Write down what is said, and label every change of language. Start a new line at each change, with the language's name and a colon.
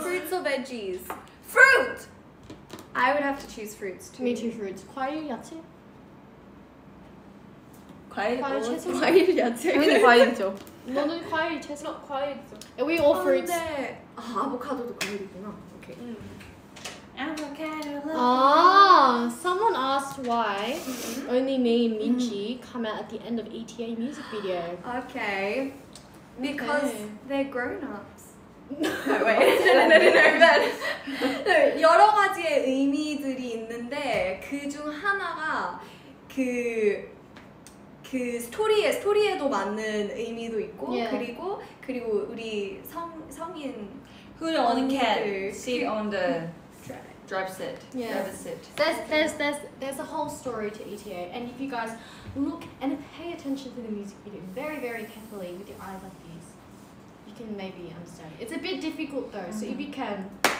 English: Fruits or veggies? Fruit! I would have to choose fruits too. Me too, fruits.
Korean: 과일, 야채? 과일, 채소. 과일, 야채. 당연히 과일이죠. 너는 과일, 채소, 과일 있어.
English: We all fruits.
Korean: 아, 아보카도도 과일이구나. 오케이.
English: Someone asked why only me and Michi come out at the end of ETA music video. Okay. Because they're grown-ups. No, wait. No.
Korean: 여러 가지의 의미들이 있는데 그중 하나가 그 스토리에도 맞는 의미도 있고 그리고 우리 성인
English: who only can sit on the drive sit. There's a whole story to ETA, and if you guys look and pay attention to the music video very very carefully with your eyes like this, you can maybe understand. It's a bit difficult though, so if you can.